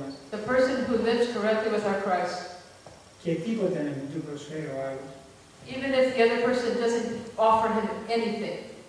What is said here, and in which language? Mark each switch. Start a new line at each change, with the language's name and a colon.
English: the person who lives correctly with our Christ.
Greek: Και τίποτε να μην του προσφέρει ο άλλος.
English: Even if the other person doesn't offer him anything.